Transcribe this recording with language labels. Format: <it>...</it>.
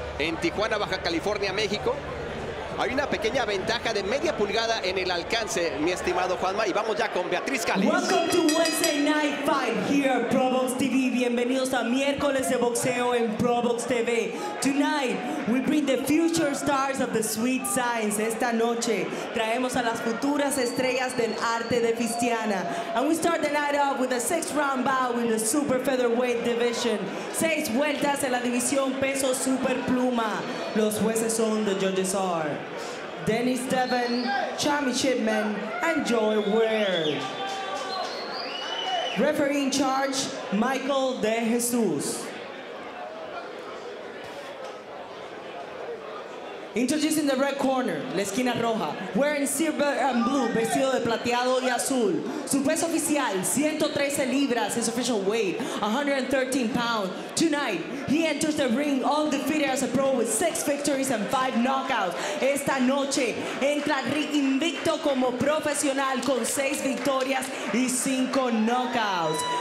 <es>en Tijuana, Baja California, México. Hay una pequeña ventaja de media pulgada en el alcance, mi estimado Juanma, y vamos ya con Beatriz Cali.</es> <en>Welcome to Wednesday Night Fight here at ProBox TV.</en> <es>Bienvenidos a miércoles de boxeo en ProBox TV.</es> <en>Tonight, we bring the future stars of the Sweet Science.</en> <es>Esta noche, traemos a las futuras estrellas del arte de Fistiana.</es> <en>And we start the night off with a six-round bout in the Super Featherweight Division.</en> <es>Seis vueltas en la división peso Super Pluma. Los jueces son,</es> <en>the judges are,</en> <es>Dennis Devon, Chami Chipman, and Joy Ware.</es> <en>Referee in charge, Michael De Jesus. Introducing the red corner,</en> <es>la esquina roja,</es> <en>wearing silver and blue,</en> <es>vestido de plateado y azul. Su peso oficial, 113 libras,</es> <en>his official weight, 113 pounds. Tonight, he enters the ring undefeated as a pro with 6 victories and 5 knockouts.</en> <es>Esta noche, entra invicto como profesional con 6 victorias y 5 knockouts.</es>